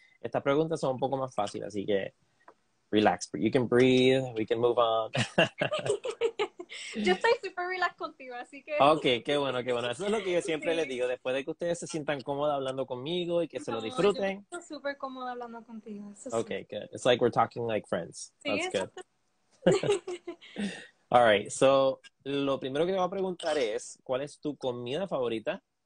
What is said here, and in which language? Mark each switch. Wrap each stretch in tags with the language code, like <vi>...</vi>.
<es>Estas preguntas son un poco más fáciles, así que relax,</es> <en>you can breathe, we can move on.</en> <es>Yo estoy super relax contigo, así que... Ok, qué bueno, qué bueno. Eso es lo que yo siempre les digo, después de que ustedes se sientan cómodos hablando conmigo y que se lo disfruten. Yo estoy súper cómoda hablando contigo, eso sí.</es> <en>Ok, good. It's like we're talking like friends.</en> <es>Sí,</es> <en>that's good. All right, so</en> <es>lo primero que te voy a preguntar es, ¿cuál es tu comida favorita?</es>